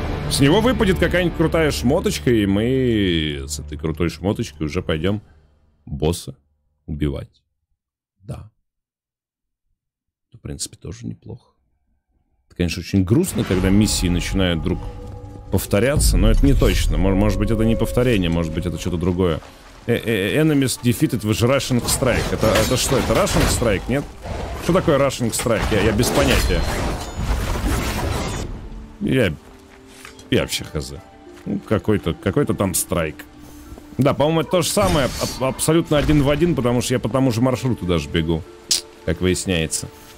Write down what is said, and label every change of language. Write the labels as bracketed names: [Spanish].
[Russian] С него выпадет какая-нибудь крутая шмоточка, и мы с этой крутой шмоточкой уже пойдем босса убивать. Да. В принципе, тоже неплохо. Это, конечно, очень грустно, когда миссии начинают вдруг повторяться, но это не точно. Может быть, это не повторение, может быть, это что-то другое. [English] Enemies defeated with Russian Strike. [Russian] Это что, это Russian Strike, нет? Что такое Russian Strike? Я без понятия. Я вообще хз. Ну, какой-то там страйк. Да, по-моему, это то же самое, абсолютно один в один, потому что я по тому же маршруту даже бегу, как выясняется.